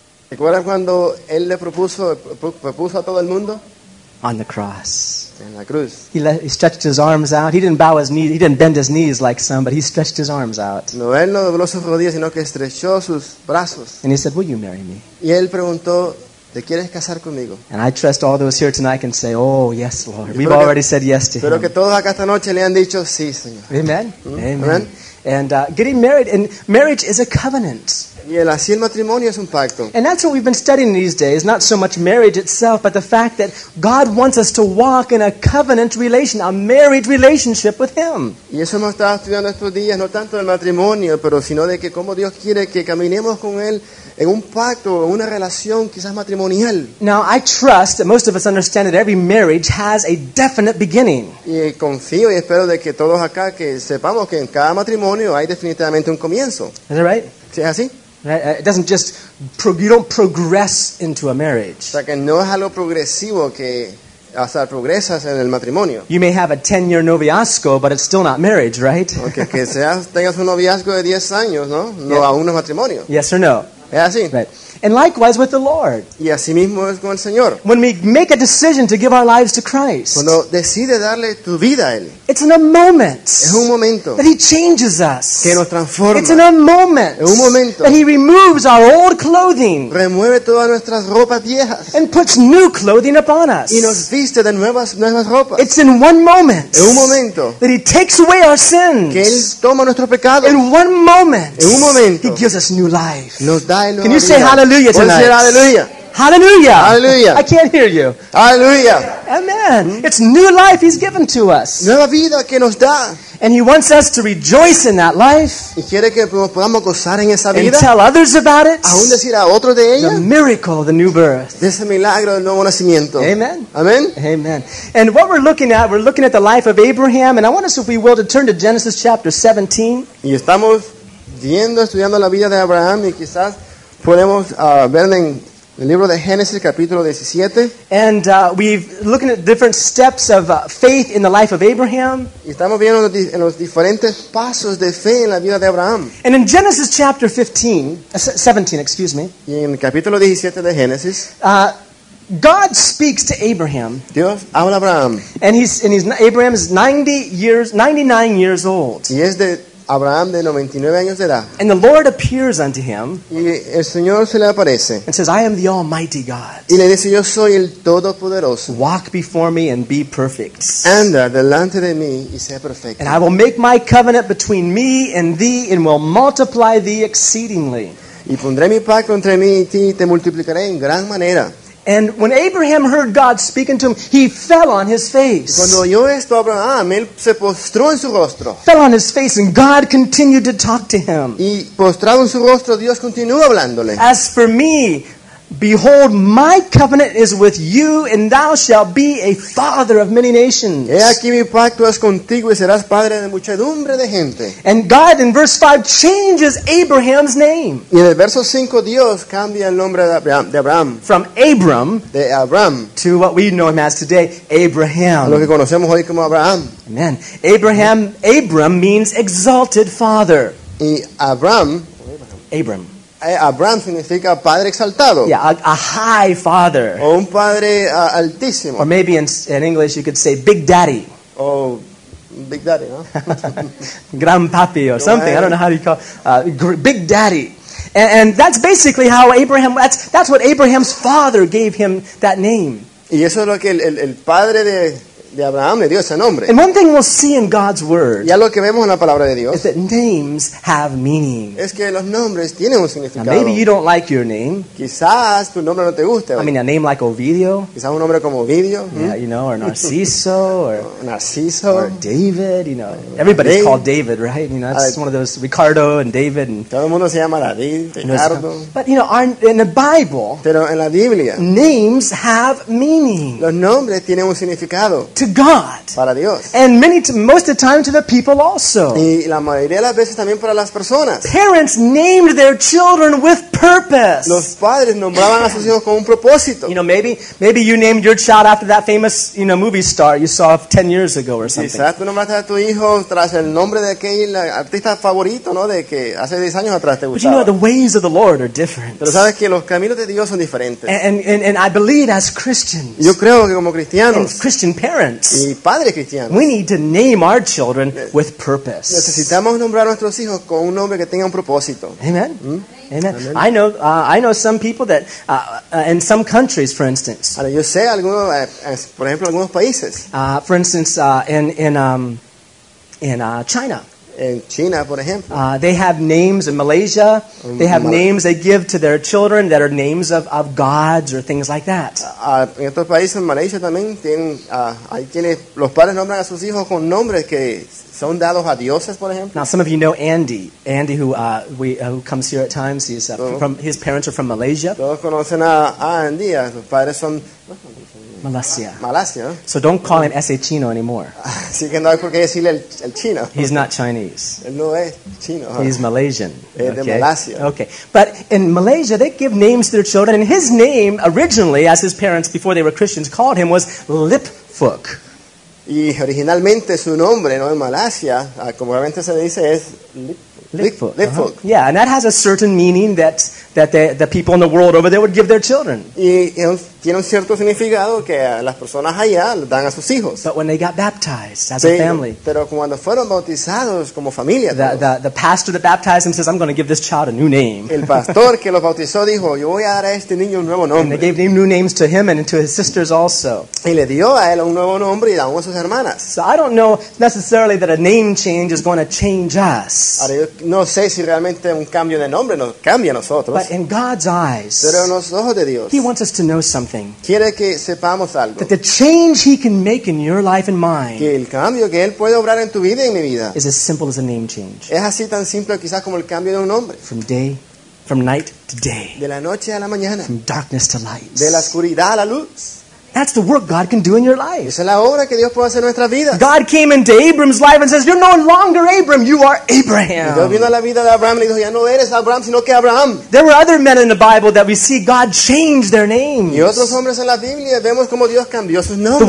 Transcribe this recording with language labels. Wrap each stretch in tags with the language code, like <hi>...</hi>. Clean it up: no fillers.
<es>¿Recuerdas cuando él le propuso a todo el mundo?</es> <en>On the cross.</en> <es>En la cruz.</es> <en>He stretched his arms out. He didn't bow his knees. He didn't bend his knees like some, but he stretched his arms out.</en> <es>No, él no dobló sus rodillas, sino que estrechó sus brazos.</es> <en>And he said, "Will you marry me?"</en> <es>Y él preguntó, ¿te quieres casar conmigo?</es> <en>And I trust all those here tonight can say, "Oh yes, Lord." We've already said yes to him.</en> <es>Pero que todos acá esta noche le han dicho sí, Señor.</es> <en>Amen. Amen. Amen. And getting married, and marriage is a covenant.</en> <es>Y el así el matrimonio es un pacto.</es> <en>And that's what we've been studying these days, not so much marriage itself, but the fact that God wants us to walk in a covenant relation, a married relationship with Him.</en> <es>Y eso hemos estado estudiando estos días, no tanto del matrimonio, pero sino de que cómo Dios quiere que caminemos con Él en un pacto, en una relación quizás matrimonial.</es> <en>Now, I trust that most of us understand that every marriage has a definite beginning.</en> <es>Y confío y espero de que todos acá que sepamos que en cada matrimonio hay definitivamente un comienzo.</es> <en>Is that right?</en> <es>¿Sí es así?</es> <en>Right? It doesn't just you don't progress into a marriage.</en> <es>O sea, que no es algo progresivo que hasta progresas en el matrimonio.</es> <en>You may have a 10-year noviazgo, but it's still not marriage, right?</en> <es>Okay, que seas tengas un noviazgo de 10 años, ¿no? No,</es> <en>yeah.</en> <es>Aún no es matrimonio.</es> <en>Yes or no?</en> <es>Es así.</es> <en>Right. And likewise with the Lord.</en> <es>Y así mismo es con el Señor.</es> <en>When we make a decision to give our lives to Christ.</en> <es>Cuando decide darle tu vida a Él.</es> <en>It's in a moment.</en> <es>Es un momento.</es> <en>That He changes us.</en> <es>Que nos transforma.</es> <en>It's in a moment.</en> <es>Es un momento.</es> <en>That He removes our old clothing.</en> <es>Remueve todas nuestras ropas viejas.</es> <en>And puts new clothing upon us.</en> <es>Y nos viste de nuevas ropas.</es> <en>It's in one moment.</en> <es>Es un momento.</es> <en>That He takes away our sins.</en> <es>Que Él toma nuestros pecados.</es> <en>In one moment.</en> <es>En un momento.</es> <en>He gives us new life.</en> <es>Nos da el nuevo.</es> <en>Can you say hallelujah? Hallelujah tonight. Hallelujah. Hallelujah. I can't hear you. Hallelujah. Amen. Mm-hmm. It's new life He's given to us.</en> <es>Nueva vida que nos da.</es> <en>And He wants us to rejoice in that life.</en> <es>Y quiere que podamos gozar en esa vida.</es> <en>And tell others about it.</en> <es>Aún decir a otro de ella.</es> <en>The miracle of the new birth.</en> <es>De ese milagro del nuevo nacimiento.</es> <en>Amen. Amen. Amen. And what we're looking at the life of Abraham. And I want us, if we will, to turn to Genesis chapter 17.</en> <es>Y estamos viendo, estudiando la vida de Abraham y quizás podemos ver en el libro de Génesis capítulo 17.</es> <en>And we've looking at different steps of faith in the life of Abraham.</en> <es>Y estamos viendo en los diferentes pasos de fe en la vida de Abraham.</es> <en>And in Genesis chapter 17, excuse me.</en> <es>Y en el capítulo 17 de Génesis.</es> <en>God speaks to Abraham.</en> <es>Dios habla a Abraham.</es> <en>And Abraham is 99 years old.</en> <es>Y es de Abraham de 99 años de edad.</es> <en>And the Lord appears unto him.</en> <es>Y el Señor se le aparece.</es> <en>And says, "I am the Almighty God."</en> <es>Y le dice, "Yo soy el Todopoderoso."</es> <en>Walk before me and be perfect.</en> <es>Anda delante de mí y sé perfecto.</es> <en>And I will make my covenant between me and thee, and will multiply thee exceedingly.</en> <es>Y pondré mi pacto entre mí y ti, y te multiplicaré en gran manera.</es> <en>And when Abraham heard God speaking to him, he fell on his face.</en> <es>Cuando oyó esto Abraham, él se postró en su rostro.</es> <en>Fell on his face, and God continued to talk to him.</en> <es>Y postrado en su rostro, Dios continuó hablándole.</es> <en>As for me, behold, my covenant is with you, and thou shalt be a father of many nations.</en> <es>He aquí mi pacto es contigo, y serás padre de muchedumbre de gente.</es> <en>And God, in verse 5, changes Abraham's name.</en> <es>Y en el verso 5, Dios cambia el nombre de Abraham.</es> <en>From Abram.</en> <es>De Abraham.</es> <en>To what we know him as today, Abraham.</en> <es>A lo que conocemos hoy como Abraham.</es> <en>Amen. Abraham, Abram means exalted father.</en> <es>Y Abraham. Abram. Abraham significa padre exaltado.</es> <en>Yeah, a high father.</en> <es>O un padre altísimo.</es> <en>Or maybe in English you could say big daddy. Oh, big daddy, huh? Gran papi or something. I don't know how you call big daddy. And that's basically how Abraham, that's what Abraham's father gave him that name.</en> <es>Y eso es lo que el padre de Abraham le dio ese nombre.</es> <en>And one thing we'll see in God's word,</en> <es>y lo que vemos en la palabra de Dios,</es> <en>is that names have meaning.</en> <es>Es que los nombres tienen un significado.</es> <en>Now, maybe you don't like your name.</en> <es>Quizás tu nombre no te guste.</es> <en>I mean, a name like Ovidio.</en> <es>Quizás un nombre como Ovidio.</es> <en>Yeah, you know, or Narciso, or Narciso, or David. You know, everybody's David. Called David, right? You know, that's one of those Ricardo and David. And</en> <es>todo el mundo se llama David, Ricardo.</es> <en>But you know, in the Bible,</en> <es>pero en la Biblia,</es> <en>names have meaning.</en> <es>Los nombres tienen un significado.</es> <en>to God.</en> <es>Para Dios.</es> <en>And most of the time to the people also.</en> <es>Y la mayoría de las veces también para las personas.</es> <en>Parents named their children with purpose.</en> <es>Los padres nombraban a sus hijos con un propósito.</es> <en>You know, maybe you named your child after that famous, you know, movie star you saw 10 years ago or something.</en> <es>Quizás tú nombraste a tu hijo tras el nombre de aquel artista favorito, ¿no? De que hace 10 años atrás te gustaba.</es> <en>But you know, the ways of the Lord are different.</en> <es>Pero sabes que los caminos de Dios son diferentes.</es> <en>And I believe as Christians.</en> <es>Yo creo que como cristianos.</es> <en>And Christian parents.</en> <es>Y padres cristianos.</es> <en>We need to name our children with purpose.</en> <es>Necesitamos nombrar a nuestros hijos con un nombre que tenga un propósito.</es> <en>Amen. Amen. I know some people that in some countries, for instance.</en> <es>Ahora, yo sé algunos, por ejemplo, algunos países.</es> <en>For instance, in China. In China, for example, They have names in Malaysia. They have names they give to their children that are names of gods or things like that.</en> <es>En estos países, en Malaysia también hay quienes los padres nombran a sus hijos con nombres que son dados a dioses, por ejemplo.</es> <en>Now, some of you know Andy. Andy, who comes here at times. He's from his parents are from Malaysia.</en> <es>Todos conocen a Andy. Sus padres son Malasia. Malasia.</es> <en>So don't call him</en> <es>ese chino</es> <en>anymore.</en> <es>Así que no hay por qué decirle el chino.</es> <en>He's not Chinese.</en> <es>Él no es chino. Huh?</es> <en>He's Malaysian.</en> <es>De Malasia.</es> <en>Okay. But in Malaysia, they give names to their children. And his name, originally, as his parents, before they were Christians, called him was Lip Fook.</en> <es>Y originalmente su nombre, ¿no? En Malasia, como realmente se dice, es Lip Fook. Uh-huh.</es> <en>Yeah, and that has a certain meaning that the people in the world over there would give their children.</en> <es>Y tiene un cierto significado que las personas allá le dan a sus hijos.</es> <en>But when they got baptized as a family.</en> <es>Pero cuando fueron bautizados como familia.</es> <en>The pastor that baptized them says, I'm going to give this child a new name.</en> <es>El pastor que los bautizó dijo, yo voy a dar a este niño un nuevo nombre.</es> <en>And they gave new names to him and to his sisters also.</en> <es>Y le dio a él un nuevo nombre y a sus hermanas.</es> <en>So I don't know necessarily that a name change is going to change us.</en> <es>Ahora, yo no sé si realmente un cambio de nombre nos cambia a nosotros.</es> <en>But in God's eyes.</en> <es>Pero en los ojos de Dios.</es> <en>He wants us to know something.</en> <es>Quiere que sepamos algo.</es> <en>That the change he can make in your life and mine.</en> <es>Que el cambio que él puede obrar en tu vida y en mi vida.</es> <en>Is as simple as a name change.</en> <es>Es así tan simple quizás como el cambio de un nombre.</es> <en>From night to day.</en> <es>De la noche a la mañana.</es> <en>From darkness to light.</en> <es>De la oscuridad a la luz.</es> <en>That's the work God can do in your life.</en> <es>Esa es la obra que Dios puede hacer en nuestra vida.</es> <en>God came into Abram's life and says, "You're no longer Abram; you are Abraham."</en> <es>Dios vino a la vida de Abraham y dijo, "Ya no eres Abraham, sino que Abraham."</es> <en>There were other men in the Bible that we see God change their names.</en> <es>Y otros hombres en la Biblia vemos cómo Dios cambió sus nombres.</es>